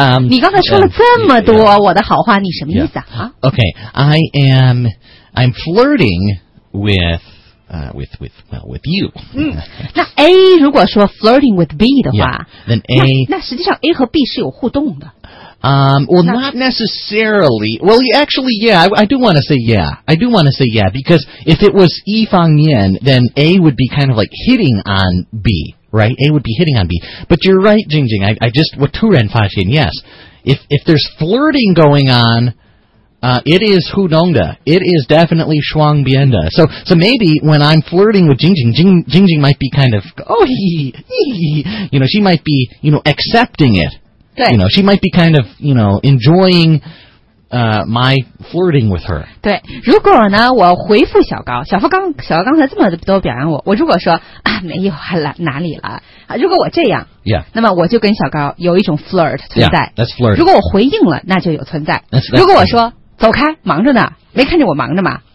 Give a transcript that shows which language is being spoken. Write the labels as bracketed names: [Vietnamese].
[Chinese] 你刚才说了这么多我的好话，你什么意思啊？ [English] OK I'm flirting with you. [Chinese] 那 A 如果说 flirting with B 的话 [English] then A [Chinese] 那实际上 A 和 B 是有互动的。 [English] Well, not necessarily. Well, actually, yeah, I do want to say yeah. I do want to say yeah, because if it was Yi Fang Yan, then A would be kind of like hitting on B, right? A would be hitting on B. But you're right, Jing Jing. I just, [Chinese] 我突然发现, [English] yes. If there's flirting going on, it is 互动的. It is definitely 双边的. So maybe when I'm flirting with Jing Jing, Jing might be kind of, oh, you know, she might be, you know, accepting it. You know, she might be kind of, you know, enjoying, my flirting with her. [Chinese] 对，如果呢，我回复小高刚才这么多表扬我如果说啊，没有，还来哪里了？如果我这样， [English] yeah. [Chinese] 那么我就跟小高有一种 flirt 存在。 [English] Yeah, that's flirt. [Chinese] 如果我回应了，那就有存在。 [English] That's [Chinese] 如果我说走开，忙着呢，没看见我忙着吗？